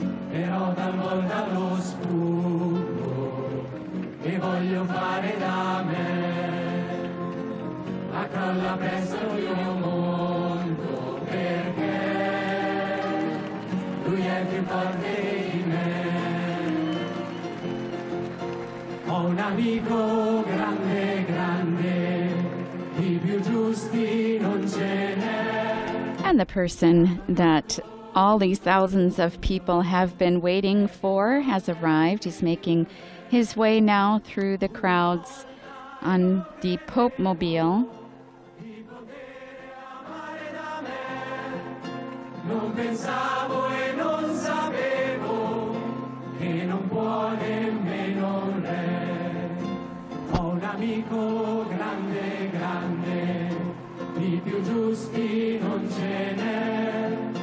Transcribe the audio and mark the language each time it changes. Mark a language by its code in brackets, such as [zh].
[it] però dal mondo allo scudo e voglio fare da me, a crolla presto il mio mondo, perché lui è più forte di me. Ho un amico grande, grande, di più giusti non ce n'è. [en] And the person that all these thousands of people have been waiting for has arrived. He's making his way now through the crowds on the Pope Mobile. [it] Non pensavo e non sapevo che non può nemmeno un re. Ho un amico grande, grande, di più giusti non ce n'è.